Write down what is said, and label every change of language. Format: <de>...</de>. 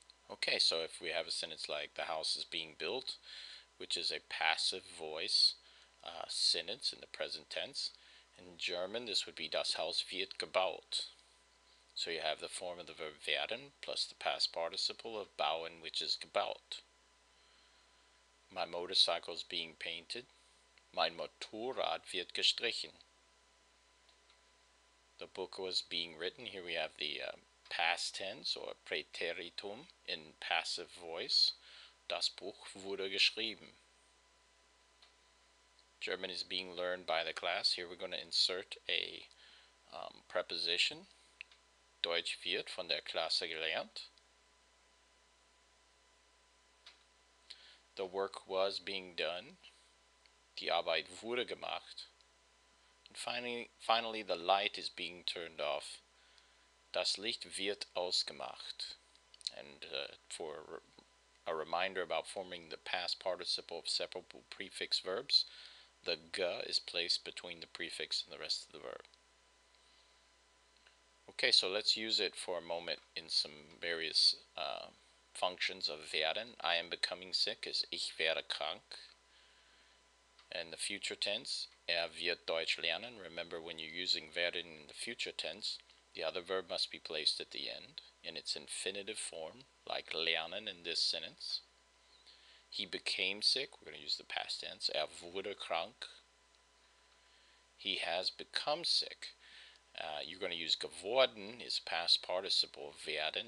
<en>Okay, so if we have a sentence like the house is being built, which is a passive voice sentence in the present tense, in German this would be</en> <de>das Haus wird gebaut.</de> <en>So you have the form of the verb werden plus the past participle of bauen, which is gebaut. My motorcycle is being painted.</en> <de>Mein Motorrad wird gestrichen.</de> <en>The book was being written. Here we have the past tense or Präteritum in passive voice.</en> <de>Das Buch wurde geschrieben.</de> <en>German is being learned by the class. Here we're going to insert a preposition.</en> <de>Deutsch wird von der Klasse gelernt.</de> <en>The work was being done.</en> <de>Die Arbeit wurde gemacht.</de> <en>And finally, the light is being turned off.</en> <de>Das Licht wird ausgemacht.</de> <en>And for a reminder about forming the past participle of separable prefix verbs, the ge is placed between the prefix and the rest of the verb. Okay, so let's use it for a moment in some various functions of werden. I am becoming sick is</en> <de>ich werde krank.</de> <en>And the future tense,</en> <de>wird Deutsch lernen.</de> <en>Remember, when you're using werden in the future tense, the other verb must be placed at the end in its infinitive form, like lernen in this sentence. He became sick. We're going to use the past tense.</en> <de>Wurde krank.</de> <en>He has become sick. You're going to use geworden is past participle of werden.</en>